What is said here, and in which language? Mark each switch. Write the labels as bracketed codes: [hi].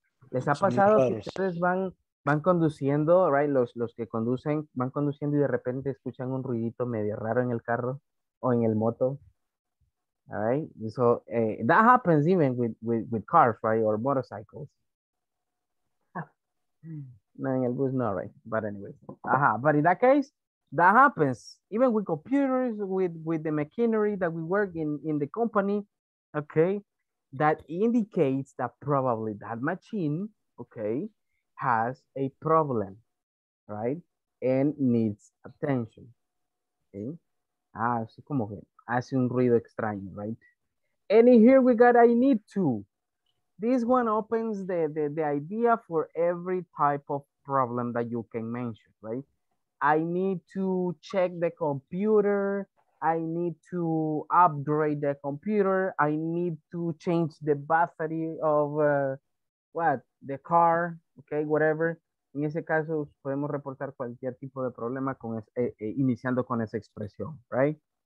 [es] ¿Les ha pasado que ustedes van conduciendo, right? Los que conducen, van conduciendo y de repente escuchan un ruidito medio raro en el carro o en el moto? [en] All right, so that happens even with cars, right, or motorcycles. [es] No, en el bus no, [en] right, but anyway. But in that case, that happens, even with computers, with the machinery that we work in the company, okay? that indicates that probably that machine, okay, has a problem, right? And needs attention, okay? [es] Ah, así como que hace un ruido extraño, right? [en] And here we got I need to. This one opens the idea for every type of problem that you can mention, right? I need to check the computer. I need to upgrade the computer. I need to change the battery of the car, okay, whatever. [es] En ese caso, podemos reportar cualquier tipo de problema con iniciando con esa expresión, right?